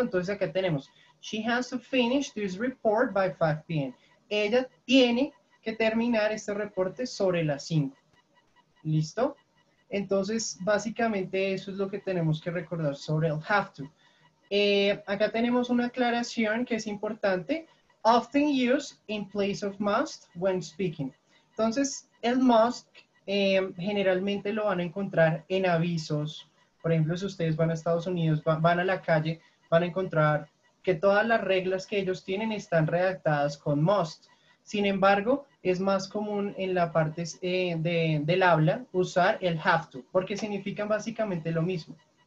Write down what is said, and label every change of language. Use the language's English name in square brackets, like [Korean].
[Spanish] Entonces acá tenemos, [English] she has to finish this report by 5 p.m. [Spanish] Ella tiene que terminar este reporte sobre las 5. ¿Listo? Entonces, básicamente eso es lo que tenemos que recordar sobre el have to. Acá tenemos una aclaración que es importante. [English] Often used in place of must when speaking. [Spanish] Entonces, el must generalmente lo van a encontrar en avisos. Por ejemplo, si ustedes van a Estados Unidos, van a la calle, van a encontrar que todas las reglas que ellos tienen están redactadas con must. Sin embargo, es más común en la parte del habla usar el have to, porque significan básicamente lo mismo.